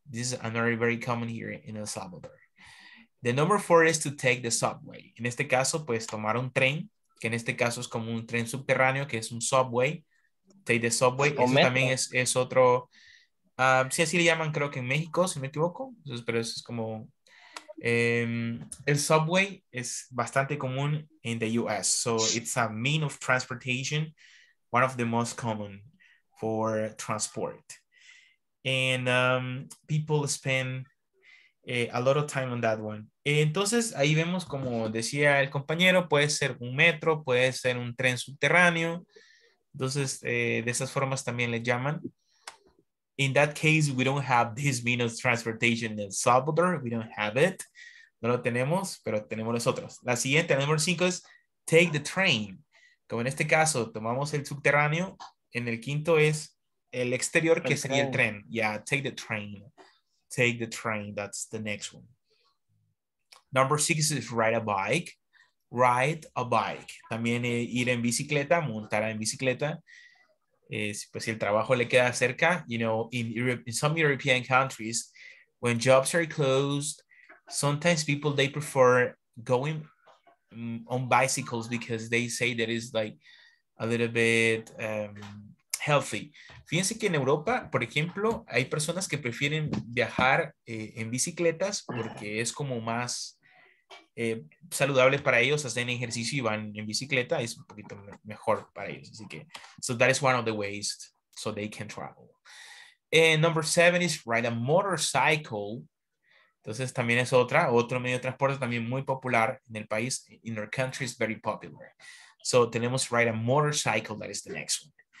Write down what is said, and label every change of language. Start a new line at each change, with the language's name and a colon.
English: This is another very common here in El Salvador. The number four is to take the subway.
Spanish: En este caso, pues tomar un tren, que en este caso es como un tren subterráneo, que es un subway.
English: Take the subway.
Spanish: Eso también es otro. Sí, así le llaman, creo que en México, si me equivoco. Entonces, pero eso es como. El subway es bastante común
English: in the US. So it's a mean of transportation, one of the most common for transport. And people spend a lot of time on that one.
Spanish: Entonces ahí vemos, como decía el compañero, puede ser un metro, puede ser un tren subterráneo. Entonces de esas formas también le llaman.
English: In that case, we don't have this means of transportation in El Salvador. We don't have it.
Spanish: No lo tenemos, pero tenemos nosotros. La siguiente, la número 5, es
English: take the train.
Spanish: Como en este caso, tomamos el subterráneo. En el quinto es el exterior, que sería el tren.
English: Yeah, take the train. Take the train. That's the next one. Number 6 is ride a bike. Ride a bike.
Spanish: También ir en bicicleta, montar en bicicleta. Pues si el trabajo le queda cerca,
English: you know, in some European countries, when jobs are closed, sometimes people, they prefer going on bicycles because they say that is like a little bit healthy.
Spanish: Fíjense que en Europa, por ejemplo, hay personas que prefieren viajar en bicicletas porque es como más saludable para ellos. Hacen ejercicio y van en bicicleta, es un poquito mejor para ellos. Así que,
English: so that is one of the ways so they can travel. And number 7 is ride a motorcycle.
Spanish: Entonces también es otro medio de transporte también muy popular en el país.
English: In our country is very popular. So tenemos ride a motorcycle, that is the next one.